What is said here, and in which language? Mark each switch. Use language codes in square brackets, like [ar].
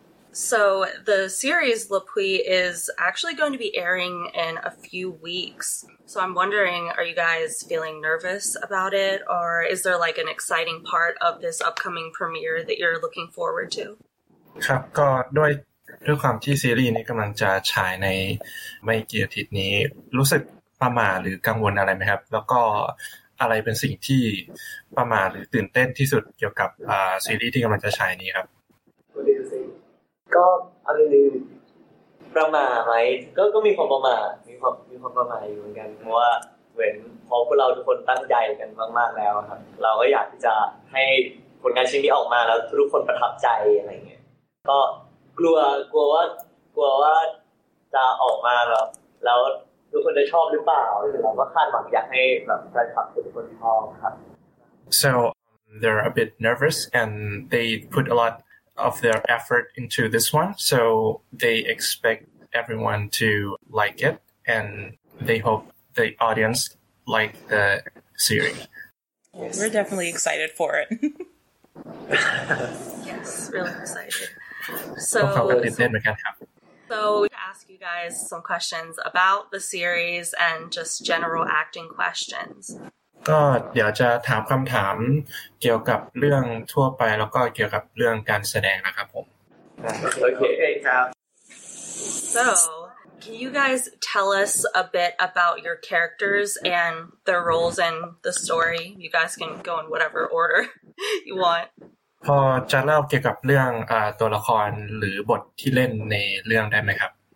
[en] So the series La Pluie is actually going to be airing in a few weeks. So I'm wondering, are you guys feeling nervous about it? Or is there like an exciting part of this upcoming premiere that you're looking forward to? [th] ครับก็ด้วยความที่ซีรีส์นี้กำลังจะฉายในไม่กี่อาทิตย์นี้รู้สึกประหม่าหรือกังวลอะไรไหมครับแล้วก็อะไรเป็นสิ่งที่ประหม่าหรือตื่นเต้นที่สุดเกี่ยวกับซีรีส์ที่กำลังจะฉายนี้ครับ ก็อะไรประหม่าไหมก็มีความประหม่าอยู่เหมือนกันเพราะว่าเหมือนพอพวกเราทุกคนตั้งใจกันมากๆแล้วครับเราก็อยากที่จะให้ผลงานชิ้นนี้ออกมาแล้วทุกคนประทับใจอะไรอย่างเงี้ยก็กลัวว่าจะออกมาแล้วทุกคนจะชอบหรือเปล่าหรือเราก็คาดหวังอยากให้แบบแฟนคลับทุกคนชอบครับ [en] So they're a bit nervous and they put a lotof their effort into this one, so they expect everyone to like it, and they hope the audience like the series. Yes. We're definitely excited for it. Yes, really excited. So to ask you guys some questions about the series and just general acting questions. [th] ก็เดี๋ยวจะถามคำถามเกี่ยวกับเรื่องทั่วไปแล้วก็เกี่ยวกับเรื่องการแสดงนะครับผม โอเคครับ [en] So can you guys tell us a bit about your characters and their roles in the story? You guys can go in whatever order you want. [th] พอจะเล่าเกี่ยวกับเรื่องตัวละครหรือบทที่เล่นในเรื่องได้ไหมครับ